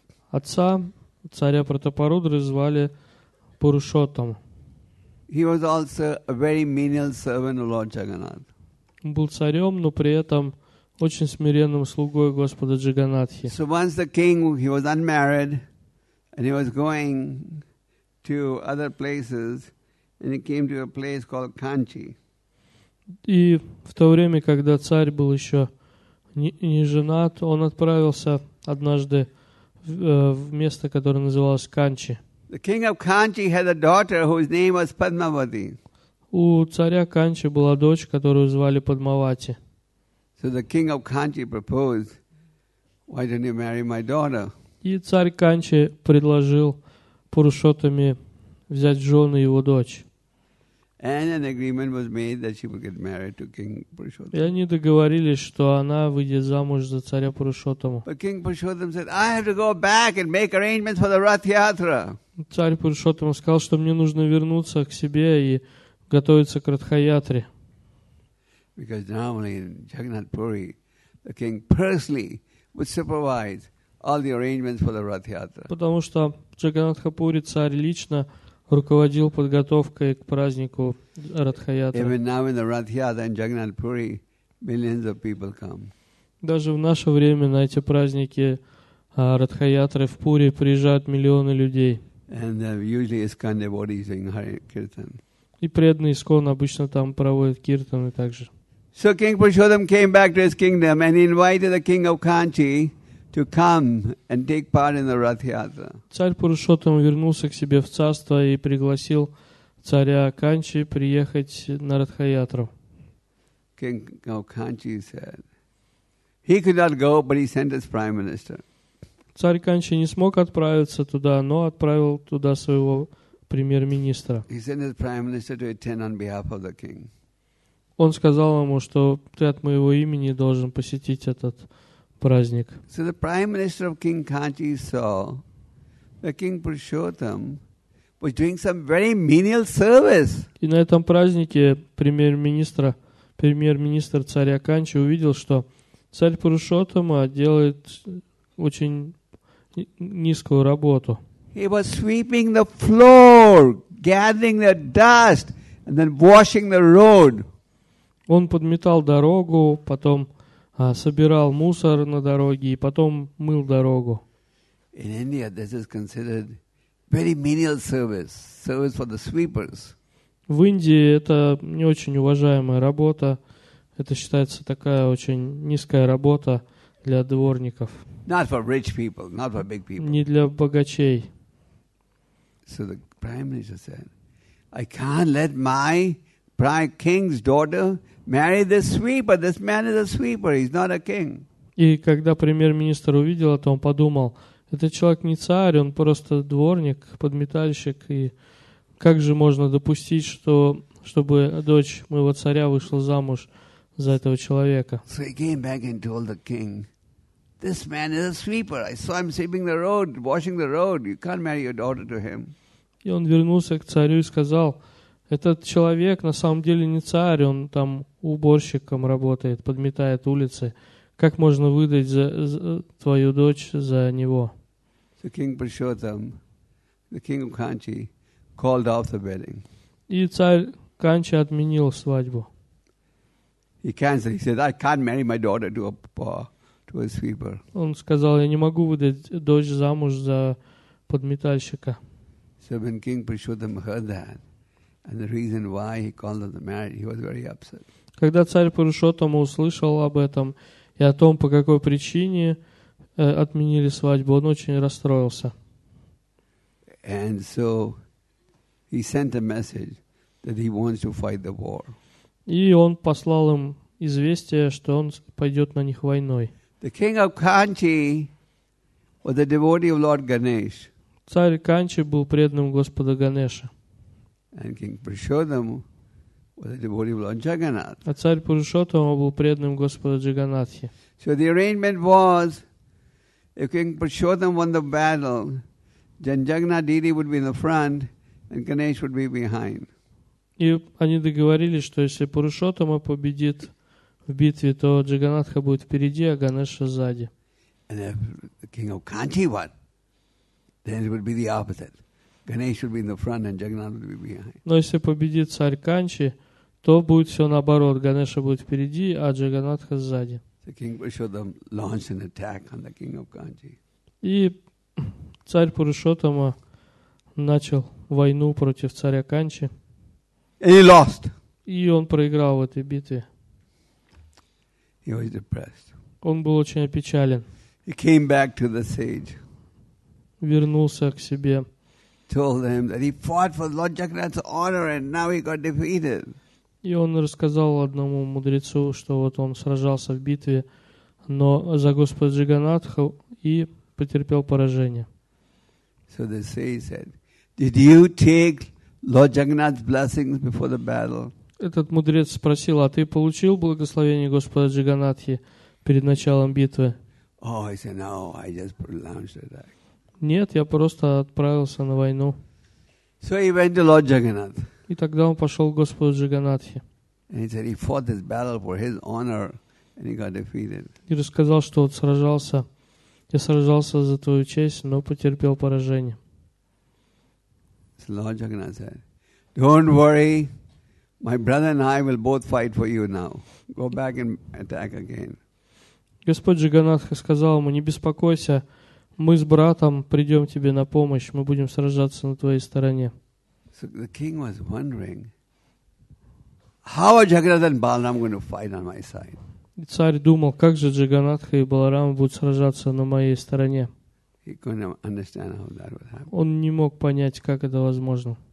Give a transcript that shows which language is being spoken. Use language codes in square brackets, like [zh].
[ru] Отца царя Пратапарудры звали Пурушоттам. [en] He was also a very menial servant of Lord Jagannath. [ru] Он был царем, но при этом очень смиренным слугой Господа Джаганнатхи. [en] So once the king, he was unmarried, and he was going to other places, and he came to a place called Kanchi. [ru] И в то время, когда царь был еще не женат, он отправился однажды в место, которое называлось Канчи. [en] The king of Kanchi had a daughter whose name was Padmavati. [ru] У царя Канчи была дочь, которую звали Падмавати. [en] So the king of Kanchi proposed, "Why don't you marry my daughter?" [ru] И царь Канчи предложил Пурушоттаме взять в жены его дочь. [en] And an agreement was made that she would get married to King Purushottam. [ru] И они договорились, что она выйдет замуж за царя Пурушоттаму. [en] But King Purushottam said, "I have to go back and make arrangements for the Rath Yatra." [ru] Царь Пурушоттам сказал, что мне нужно вернуться к себе и готовиться к Ратхаятре. [en] Because normally in Jagannath Puri, the king personally would supervise all the arrangements for the Rath Yatra. [ru] Потому что в Джаганнатхапури царь лично руководил подготовкой к празднику Ратхаятры. [en] Even now in the Rath Yatra in Jagannath Puri, millions of people come. [ru] Даже в наше время на эти праздники Ратхаятры в Пури приезжают миллионы людей. [en] And usually ISKCON devotees sing Hare Kirtan. [ru] И преданные ISKCON обычно там проводят киртаны также. [en] So King Purushottam came back to his kingdom and he invited the king of Kanchi to come and take part in the Rath Yatra. [ru] Царь Пурушоттам вернулся к себе в царство и пригласил царя Канчи приехать на Ратхаятру. [en] King of Kanchi said, he could not go, but he sent his prime minister. [ru] Царь Канчи не смог отправиться туда, но отправил туда своего премьер-министра. [en] He sent his prime minister to attend on behalf of the king. [ru] Он сказал ему, что ты от моего имени должен посетить этот праздник. [en] So the prime minister of King Kanchi saw King Purushottam was doing some very menial service. [ru] И на этом празднике премьер-министр царя Канчи увидел, что царь Пурушоттама делает очень низкую работу. [en] He was sweeping the floor, gathering the dust, and then washing the road. [ru] Он подметал дорогу, потом собирал мусор на дороге и потом мыл дорогу. [en] In India, this is considered very menial service, service for the sweepers. [ru] В Индии это не очень уважаемая работа. Это считается такая очень низкая работа для дворников. [en] Not for rich people, not for big people. [ru] Не для богачей. [en] So the prime minister said, I can't let my prime king's daughter marry this sweeper. This man is a sweeper. He's not a king. [ru] И когда премьер-министр увидел это, он подумал, этот человек не царь, он просто дворник, подметальщик. И как же можно допустить, чтобы дочь моего царя вышла замуж за этого человека? [en] So he came back and told the king, this man is a sweeper. I saw him sweeping the road, washing the road. You can't marry your daughter to him. [ru] И он вернулся к царю и сказал, этот человек на самом деле не царь, он там уборщиком работает, подметает улицы. Как можно выдать за твою дочь за него? [en] So King Purushottam, the king of Kanchi, called off the wedding. [ru] И царь Канчи отменил свадьбу. [en] He canceled. He said, I can't marry my daughter to a sweeper. [ru] Он сказал, я не могу выдать дочь замуж за подметальщика. [en] So when King Purushottam heard that, and the reason why he called off the marriage, he was very upset. [ru] Когда царь Пурушоттам услышал об этом и о том, по какой причине отменили свадьбу, он очень расстроился. [en] And so he sent a message that he wants to fight the war. [ru] И он послал им известие, что он пойдет на них войной. [en] The king of Kanchi was a devotee of Lord Ganesh. [ru] Царь Канчи был преданным Господа Ганеша. [en] And King Purushottam was a devotee of Lord Jagannath. [ru] А царь Пурушоттама был преданным Господа Джаганатхи. [en] So the arrangement was, if King Purushottam won the battle, then Jagannath Deity would be in the front, and Ganesh would be behind. [ru] И они договорились, что если Пурушоттама победит в битве, то Джаганатха будет впереди, а Ганеша сзади. [en] And if the king of Kanchi won, then it would be the opposite. Ganesh would be in the front and Jagannath would be behind. [ru] Но если победит царь Канчи, то будет все наоборот. Ганеша будет впереди, а Джаганатха сзади. [en] So King Purushottam launched an attack on the king of Kanchi. [ru] И царь Пурушоттама начал войну против царя Канчи. [en] And he lost. [ru] И он проиграл в этой битве. [en] He was depressed. [ru] Он был очень опечален. [en] He came back to the sage. [ru] Вернулся к себе. [en] Told him that he fought for Lord Jagannath's honor and now he got defeated. [ru] И он рассказал одному мудрецу, что вот он сражался в битве, но за Господа Джаганатху и потерпел поражение. [en] So the sage said, did you take Lord Jagannath's blessings before the battle? [ru] Этот мудрец спросил, а ты получил благословение Господа Джаганатхи перед началом битвы? [en] Oh, he said, no, I just launched it back. [ru] Нет, я просто отправился на войну. [en] So he went to Lord Jagannath. [ru] И тогда он пошел к Господу Джаганатхе. [en] And he said he fought this battle for his honor and he got defeated. [ru] И рассказал, что вот сражался. Я сражался за твою честь, но потерпел поражение. [en] So Lord Jagannath said, don't worry. My brother and I will both fight for you now. Go back and attack again. [ru] Господь Джаганатха сказал ему, не беспокойся. Мы с братом придем тебе на помощь. Мы будем сражаться на твоей стороне. [en] So the king was wondering, how are Jagannath and Balaram going to fight on my side? [ru] И царь думал, как же Джаганатха и Баларам будут сражаться на моей стороне. [en] He couldn't understand how that would happen. [ru] Он не мог понять, как это возможно.